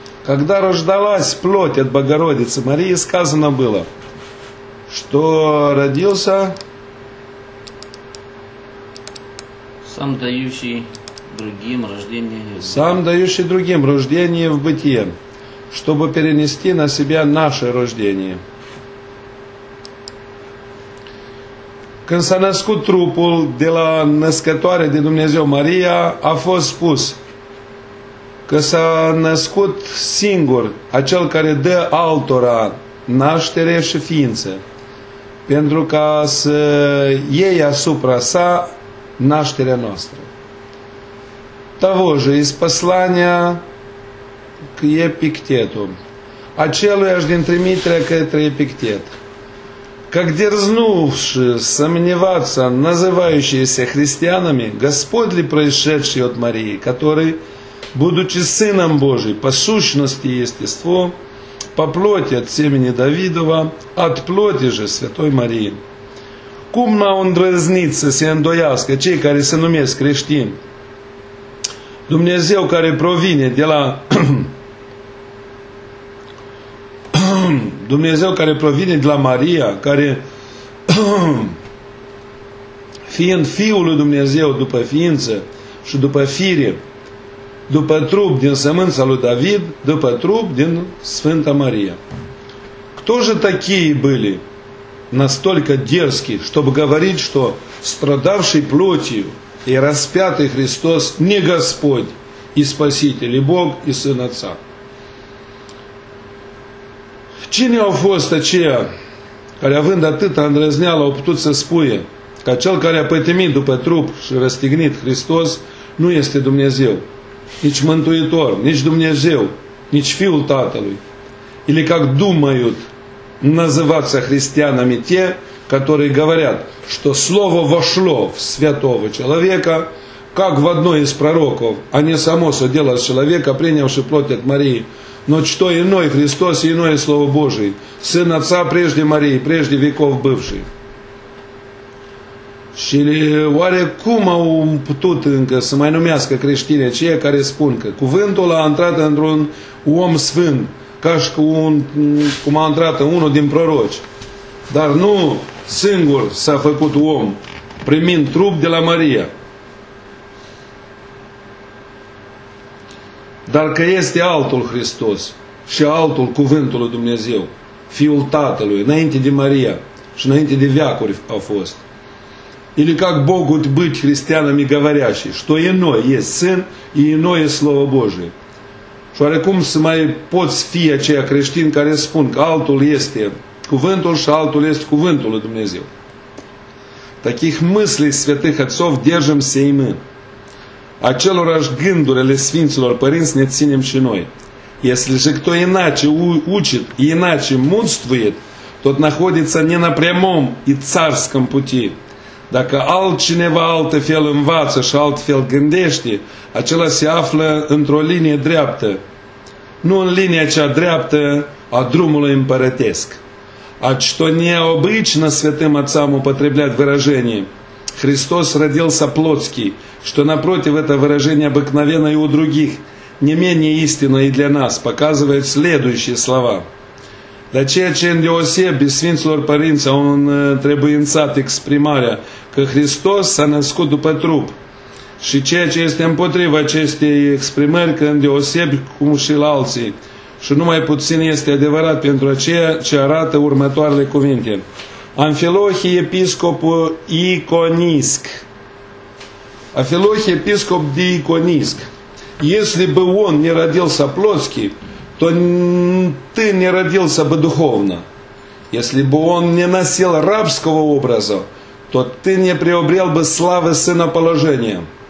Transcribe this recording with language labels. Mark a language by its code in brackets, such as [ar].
[ru] Когда рождалась плоть от Богородицы Марии, сказано было, что родился сам дающий другим рождение в бытие. Сам дающий другим рождение в бытие, чтобы перенести на себя наше рождение. [ro] Când s-a născut trupul de la născătoare de Dumnezeu Maria, a fost spus că s-a născut singur acel care dă altora naștere și ființă, pentru ca să iei asupra sa nașterea noastră. [ru] Того же из послания к Епиктету. [ro] Aceluiași din trimitere către Епиктет. [ru] Как дерзнувши сомневаться, называющиеся христианами, Господь ли происшедший от Марии, который, будучи Сыном Божиим, по сущности и естеству, по плоти от семени Давидова, от плоти же Святой Марии. [ro] Cum n-a îndrăznit să se îndoiască cei care se numesc creștini? Dumnezeu care provine de la... Dumnezeu care provine de la Maria, care fiind Fiul lui Dumnezeu după ființă și după fire, după trup din sămânța lui David, după trup din Sfânta Maria. [ru] Кто же такие были настолько дерзки, чтобы говорить, что страдавший плотью и распятый Христос не Господь и Спаситель, и Бог, и Сын Отца? [ro] Cine au fost aceia care, având atâta îndrăzneală, au putut să spuie că cel care a pătimit după trup și răstignit Hristos nu este Dumnezeu, nici Mântuitor, nici Dumnezeu, nici Fiul Tatălui? [ru] Или как думают называться христианами те, которые говорят, что слово вошло в святого человека, как в одно из пророков, а не само соделалось человека, принявший плоть от Марии, но что иной Христос и иное Слово Божие, Сын Отца прежде Марии, прежде веков бывший. [ro] Și oare cum au putut încă să mai numească creștine cei care spun că cuvântul a intrat într-un om sfânt, ca și cum a intrat în unul din proroci, dar nu singur s-a făcut om, primind trup de la Maria. Dar că este altul Hristos și altul cuvântul lui Dumnezeu, Fiul Tatălui, înainte de Maria și înainte de veacuri a fost. [ru] Или как могут быть христианами говорящие, что иной есть Сын и иное Слово Божие? [ro] Și oarecum să mai poți fi aceia creștini care spun că altul este cuvântul și altul este cuvântul lui Dumnezeu? [ru] Таких мыслей святых отцов держимся и мы. [ro] Acelorași gândurile Sfinților Părinți ne ținem și noi. [ru] Если же кто иначе учит, иначе мудствует, тот находится не на прямом и царском пути. [ro] Dacă altcineva altfel învață și altfel gândește, acela se află într-o linie dreaptă, nu în linia cea dreaptă a drumului împărătesc. [ru] Aci то необычно святым отцам употреблять выражение «Христос родился плотский», что напротив это выражение обыкновенно и у других, не менее истинно и для нас, показывает следующие слова. [ro] La ceea ce îndeosebi Sfinților Părinți au întrebuințat exprimarea că Hristos s-a născut după trup și ceea ce este împotriva acestei exprimări că îndeosebi cum și la alții și numai puțin este adevărat pentru ceea ce arată următoarele cuvinte. Amfilohi episcopul Iconisc. [ru] Амфилохий, епископ Дииконийск. Если бы он не родился плотски, то ты не родился бы духовно. Если бы он не носил рабского образа, то ты не приобрел бы славы сына положения.